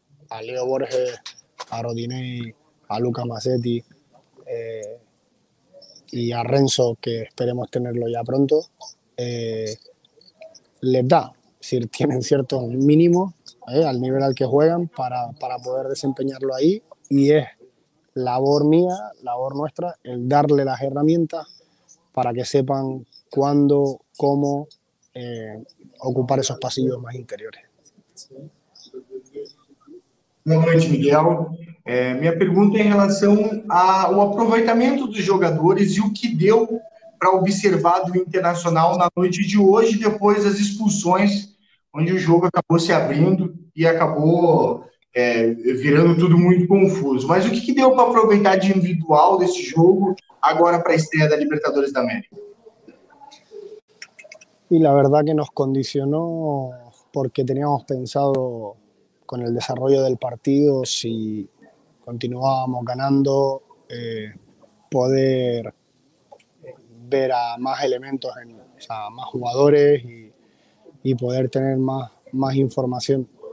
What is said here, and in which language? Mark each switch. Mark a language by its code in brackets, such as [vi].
[es] A Leo Borges, a Rodinei, a Lucas Massetti y a Renzo, que esperemos tenerlo ya pronto, les da. Es decir, tienen cierto mínimo al nivel al que juegan para poder desempeñarlo ahí y es labor mía, labor nuestra, el darle las herramientas para que sepan cuándo, cómo ocupar esos pasillos más interiores. [pt] Boa noite, Miguel. Minha pergunta é em relação ao aproveitamento dos jogadores e o que deu para observar do Internacional na noite de hoje, depois das expulsões, onde o jogo acabou se abrindo e acabou virando tudo muito confuso. Mas o que deu para aproveitar de individual desse jogo agora para a estreia da Libertadores da América? E a verdade que nos condicionou [es] porque teníamos pensado con el desarrollo del partido, si continuábamos ganando, poder ver a más elementos, más jugadores y poder tener más información.